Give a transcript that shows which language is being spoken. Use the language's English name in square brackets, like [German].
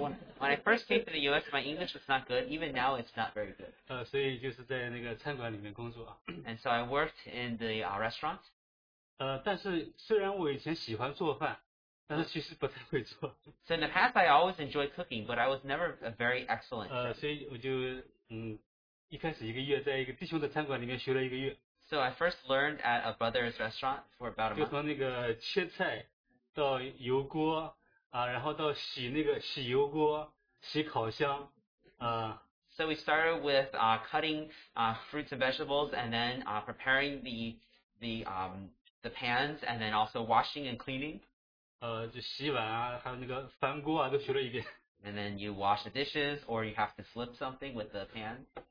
[English] when I first came to the U.S., my English was not good. Even now, it's not very good. [Chinese] 所以就是在那个餐馆里面工作啊。 [English] And so I worked in the restaurant. [Chinese] 但是虽然我以前喜欢做饭。 [English] So in the past, I always enjoyed cooking, but I was never a very excellent chef. So I first learned at a brother's restaurant for about a month. [Chinese] 就从那个切菜到油锅，然后到洗那个洗油锅，洗烤箱。 [English] So we started with cutting fruits and vegetables, and then preparing the pans, and then also washing and cleaning. [Chinese] 就洗碗啊，还有那个翻锅啊，都学了一遍。 [English] And then you wash the dishes, or you have to flip something with the pan.